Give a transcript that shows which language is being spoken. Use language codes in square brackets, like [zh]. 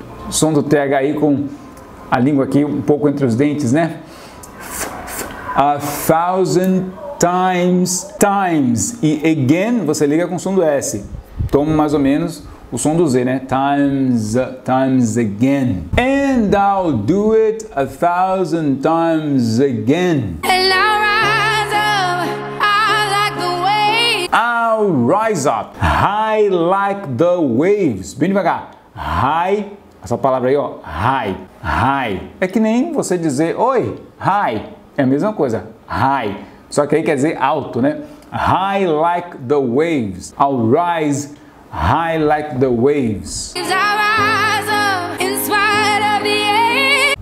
[pt] Som do THI com a língua aqui um pouco entre os dentes, né? [en] A thousand times, times. [pt] E again, você liga com o som do S. Toma mais ou menos o som do Z, né? [en] Times, times again. And I'll do it a thousand times again. And I'll rise up high like the waves. I'll rise up high like the waves. [pt] Bem devagar. High, essa palavra aí, ó. [en] High, high. [pt] É que nem você dizer, oi, high. É a mesma coisa, high. Só que aí quer dizer alto, né? [en] High like the waves. I'll rise high like the waves. I'll rise up in spite of the air.